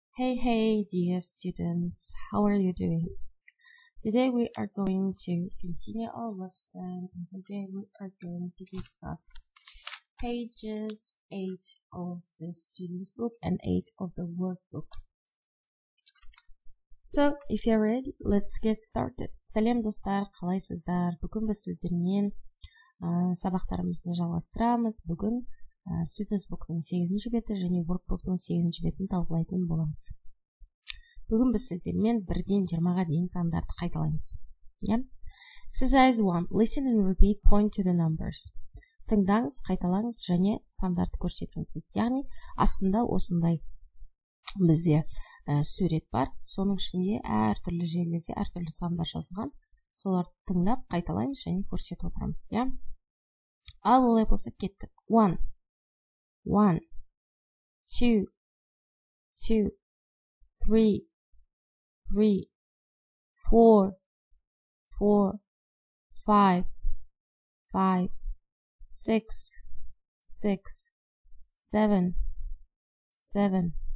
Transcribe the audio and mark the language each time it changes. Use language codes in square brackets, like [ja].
[en] Hey, dear students, how are you doing? Today we are going to continue our lesson, and today we are going to discuss pages 8 of the student's book and 8 of the workbook. So, if you're ready, let's get started. [kk] Сәлем, достар, қалайсыздар? Бүгін біз сіздермен сабақтарымызды жалғастырамыз. Бүгін Students book-ның 8-ші беті және workbook-ның 8-ші бетін талқылайтын боламыз. Бүгін біз сіздермен 1-ден 20-ға дейін сандарды қайталаймыз. [en] Exercise 1. Listen and repeat, point to the numbers. [kk] Тыңдаңыз, қайталаңыз және сандарды көрсетіңіз. Яғни, астында осындай бізде сурет бар. Соның ішінде әр түрлі жерлерде әр түрлі сандар жазылған. Соларды тыңдап, қайталаймыз және көрсетіп отырамыз. Ал олай болса кеттік. 1. 1, 2, 2, 3, 3, 4, 4, 5, 5, 6, 6, 7, 7,